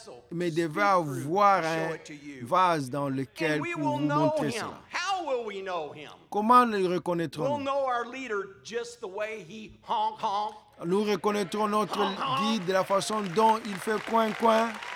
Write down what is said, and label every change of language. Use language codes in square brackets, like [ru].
[fr] Mais il devait avoir un vase dans lequel pour vous montrer cela. [en] Will we know him? [fr] Comment le reconnaîtrons-nous? [en] We'll know our leader just the way he honk honk. [fr] Nous reconnaîtrons notre guide de la façon dont il fait coin coin.